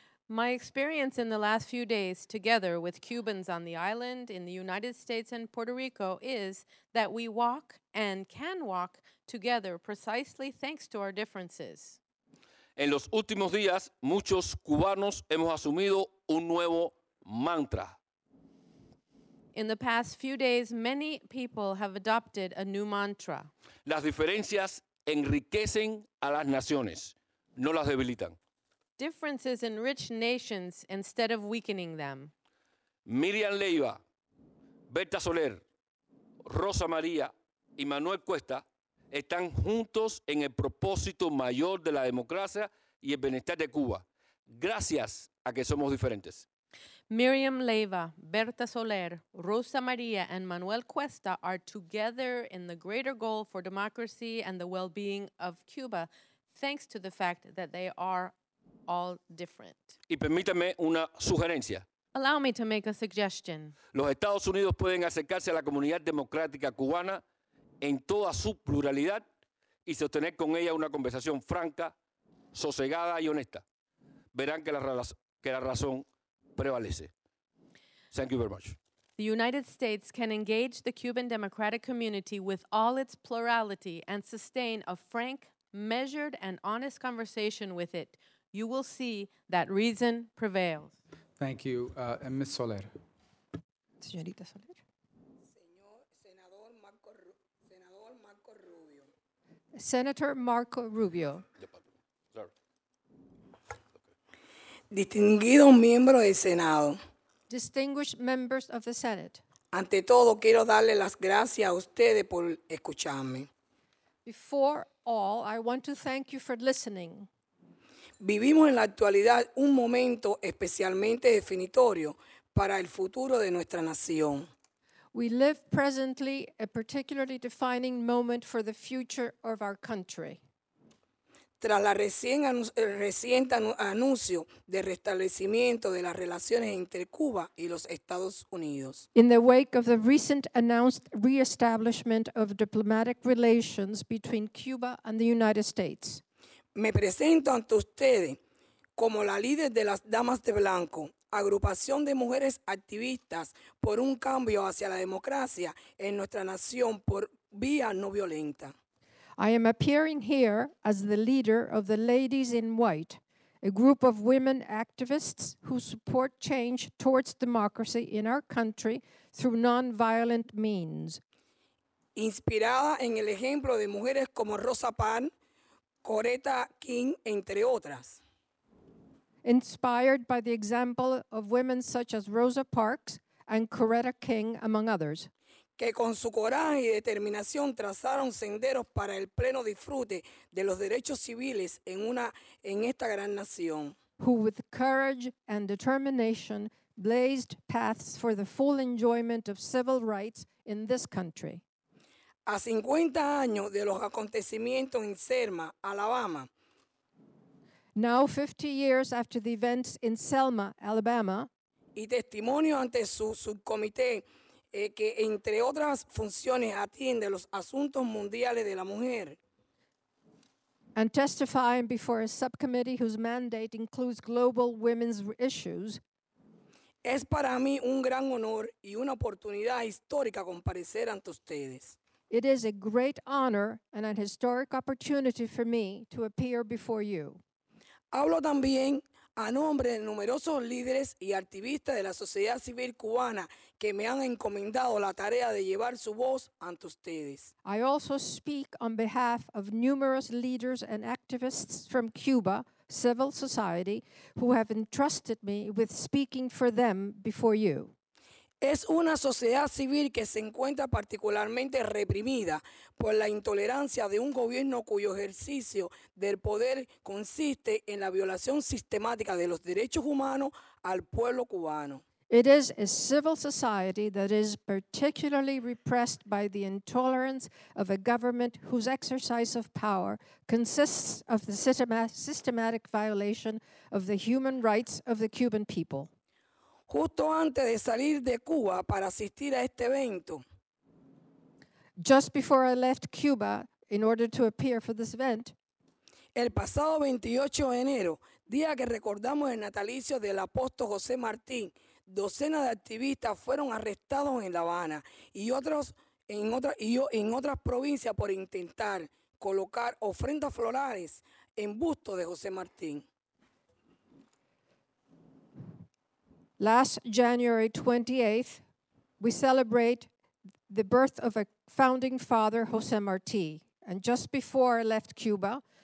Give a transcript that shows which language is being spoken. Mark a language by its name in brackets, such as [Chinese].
[English] My experience in the last few days together with Cubans on the island in the United States and Puerto Rico is that we walk and can walk together precisely thanks to our differences. [Spanish] En los últimos días, muchos cubanos hemos asumido un nuevo mantra. [English] In the past few days, many people have adopted a new mantra. [Spanish] Las diferencias enriquecen a las naciones, no las debilitan. [English] differences enrich nations instead of weakening them. [Spanish] Miriam Leiva, Berta Soler, Rosa María y Manuel Cuesta están juntos en el propósito mayor de la democracia y el bienestar de Cuba, gracias a que somos diferentes. [English] Miriam Leiva, Berta Soler, Rosa María and Manuel Cuesta are together in the greater goal for democracy and the well-being of Cuba, thanks to the fact that they are all different. [Spanish] Y permítame una sugerencia. [English] Allow me to make a suggestion. [Spanish] Los Estados Unidos pueden acercarse a la comunidad democrática cubana en toda su pluralidad y sostener con ella una conversación franca, sosegada y honesta. Verán que la razón prevalece. [English] Thank you very much. The United States can engage the Cuban democratic community with all its plurality and sustain a frank, measured, and honest conversation with it. You will see that reason prevails. Thank you. And Ms. Soler. [Spanish] Señorita Soler. Senador Marco Rubio. [English] Senator Marco Rubio. [Spanish] Distinguidos miembros del Senado. [English] Distinguished members of the Senate. [Spanish] Ante todo, quiero darle las gracias a ustedes por escucharme. [English] Before all, I want to thank you for listening. [Spanish] Vivimos en la actualidad un momento especialmente definitorio para el futuro de nuestra nación. [English] We live presently a particularly defining moment for the future of our country. [Spanish] Tras la reciente anuncio de restablecimiento de las relaciones entre Cuba y los Estados Unidos. [English] In the wake of the recent announced reestablishment of diplomatic relations between Cuba and the United States. [Spanish] Me presento ante ustedes como la líder de las Damas de Blanco, agrupación de mujeres activistas por un cambio hacia la democracia en nuestra nación por vía no violenta. [English] I am appearing here as the leader of the Ladies in White, a group of women activists who support change towards democracy in our country through nonviolent means. [Spanish] Inspirada en el ejemplo de mujeres como Rosa Parks, Coretta King, entre otras. [English] Inspired by the example of women such as Rosa Parks and Coretta King, among others. [Spanish] Que con su coraje y determinación trazaron senderos para el pleno disfrute de los derechos civiles en esta gran nación. [English] Who with courage and determination blazed paths for the full enjoyment of civil rights in this country. [Spanish] A 50 años de los acontecimientos en Selma, Alabama. [English] Now 50 years after the events in Selma, Alabama. [Spanish] Y testimonio ante su subcomité que entre otras funciones atiende los asuntos mundiales de la mujer. [English] And testifying before a subcommittee whose mandate includes global women's issues. [Spanish] Es para mí un gran honor y una oportunidad histórica comparecer ante ustedes. [English] It is a great honor and an historic opportunity for me to appear before you. [Spanish] Hablo también a nombre de numerosos líderes y activistas de la sociedad civil cubana que me han encomendado la tarea de llevar su voz ante ustedes. [English] I also speak on behalf of numerous leaders and activists from Cuba, civil society, who have entrusted me with speaking for them before you. [Spanish] Es una sociedad civil que se encuentra particularmente reprimida por la intolerancia de un gobierno cuyo ejercicio del poder consiste en la violación sistemática de los derechos humanos al pueblo cubano. [English] It is a civil society that is particularly repressed by the intolerance of a government whose exercise of power consists of the systematic violation of the human rights of the Cuban people. [Spanish] Justo antes de salir de Cuba para asistir a este evento. [English] Just before I left Cuba in order to appear for this event. [Spanish] El pasado 28 de enero, día que recordamos el natalicio del apóstol José Martín, docenas de activistas fueron arrestados en La Habana y otras provincias por intentar colocar ofrendas florales en busto de José Martín. [English] Last January 28th, we celebrate the birth of a founding father, José Martí. And just before I left Cuba,